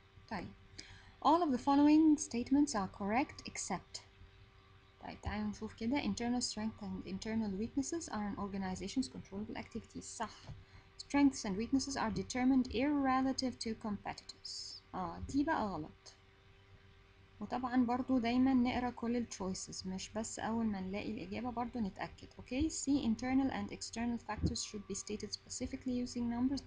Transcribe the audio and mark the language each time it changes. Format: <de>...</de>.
<en>طيب all of the following statements are correct except.</en> <ar>طيب تعالي نشوف كده.</ar> <en>Internal strengths and internal weaknesses are an organization's controllable activities.</en> <ar>صح.</ar> <en>Strengths and weaknesses are determined irrelative to competitors.</en> <ar>دي بقى غلط. وطبعا برضو دايما نقرأ كل الchoices، مش بس أول ما نلاقي الإجابة برضو نتأكد.</ar> <en>Okay. See internal and external factors should be stated specifically using numbers.</en>